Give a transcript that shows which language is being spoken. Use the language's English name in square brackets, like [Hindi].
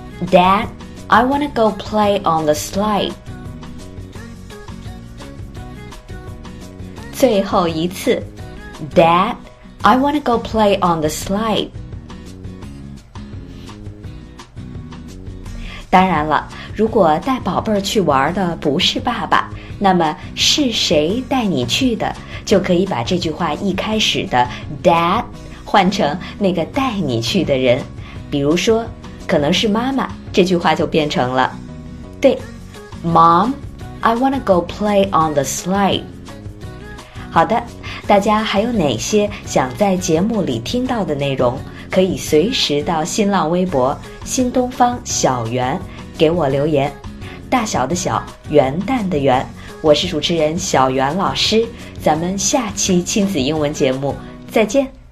[English] Dad, I want to go play on the slide. [Chinese] 最后一次。 [English] Dad, I want to go play on the slide. [Chinese] 当然了，如果带宝贝儿去玩的不是爸爸，那么是谁带你去的，就可以把这句话一开始的 Dad 换成那个带你去的人。比如说可能是妈妈，这句话就变成了，对 ， [English] Mom, I want to go play on the slide. [Chinese] 好的，大家还有哪些想在节目里听到的内容，可以随时到新浪微博新东方小袁给我留言。大小的小，元旦的元，我是主持人小袁老师，咱们下期亲子英文节目再见。